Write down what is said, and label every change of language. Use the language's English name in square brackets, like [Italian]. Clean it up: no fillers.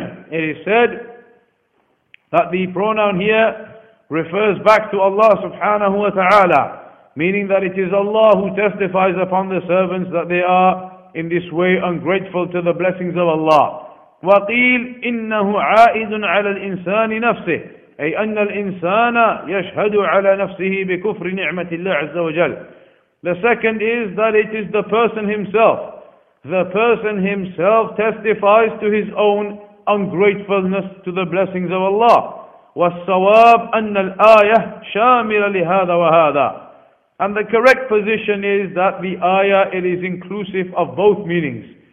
[English] It is said that the pronoun here refers back to Allah subhanahu wa ta'ala, meaning that it is Allah who testifies upon the servants that they are in this way ungrateful to the blessings of Allah. [Arabic] وَقِيلْ إِنَّهُ عَائِدٌ عَلَى الْإِنسَانِ نَفْسِهِ أي أن الإنسان يشهد على نفسه بكفر نعمة الله عز وجل. [English] The second is that it is the person himself. The person himself testifies to his own ungratefulness to the blessings of Allah. [Arabic] وَالصَّوَابُ أَنَّ الْآيَةَ شَامِلَ لِهَذَا وَهَذَا. [English] And the correct position is that the ayah, it is inclusive of both meanings.